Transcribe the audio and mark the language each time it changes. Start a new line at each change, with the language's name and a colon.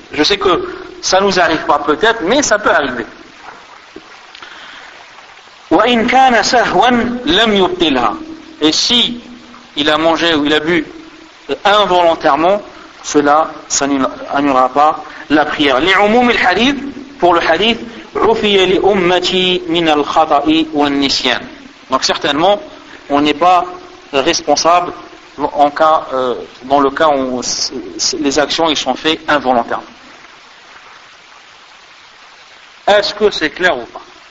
French: Je sais que ça nous arrive pas peut-être, mais ça peut arriver.
Arabic: وَإِنْ كَانَ سَهْوًا لَمْ يُبْتِلْهَا.
French: Et si il a mangé ou il a bu involontairement, cela n'annulera pas la prière.
Arabic: لِعُمُومِ الْحَدِيثِ.
French: Pour le hadith,
Arabic: عُفِيَ لِأُمَّتِي مِنَ الْخَطَئِ وَالنِّسْيَانِ.
French: Donc certainement, on n'est pas responsable en cas, dans le cas où les actions ils sont faites involontairement. Est-ce que c'est clair ou pas?